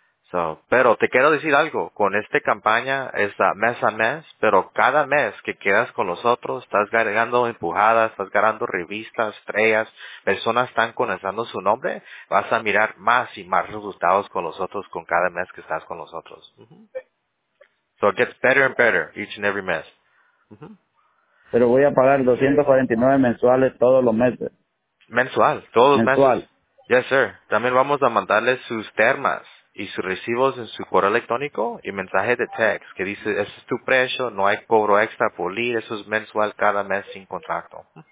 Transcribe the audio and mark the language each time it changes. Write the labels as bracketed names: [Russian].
[Spanish] So, pero te quiero decir algo, con esta campaña, está mes a mes, pero cada mes que quedas con nosotros, estás ganando empujadas, estás ganando revistas, estrellas, personas están conociendo su nombre, vas a mirar más y más resultados con nosotros con cada mes que estás con nosotros. [English] So it gets better and better each and every mes. [Spanish] Pero voy a pagar 249 mensuales todos los meses. Mensual, todos los meses. Mensual. [English] Yes, sir. [Spanish] También vamos a mandarle sus termas y sus recibos en su correo electrónico y mensaje de text que dice, ese es tu precio, no hay cobro extra por lead, eso es mensual cada mes sin contrato.